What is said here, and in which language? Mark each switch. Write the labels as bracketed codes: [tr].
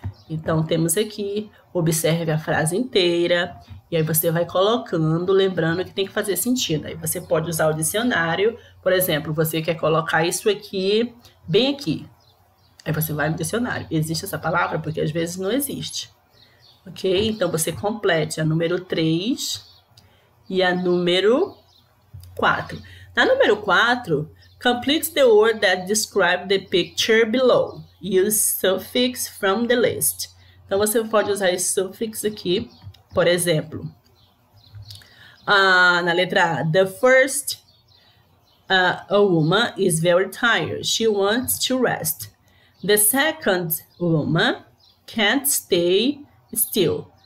[pt] Então temos aqui, observe a frase inteira, e aí você vai colocando, lembrando que tem que fazer sentido. Aí você pode usar o dicionário, por exemplo, você quer colocar isso aqui, bem aqui. Aí você vai no dicionário. Existe essa palavra? Porque às vezes não existe, ok? Então você complete a número 3 e a número 4. Na número 4. [en] Complete the word that describes the picture below. Use suffix from the list. [pt] Então você pode usar esse suffix aqui, por exemplo, na letra A. [en] The first, a woman is very tired. She wants to rest. The second woman can't stay still.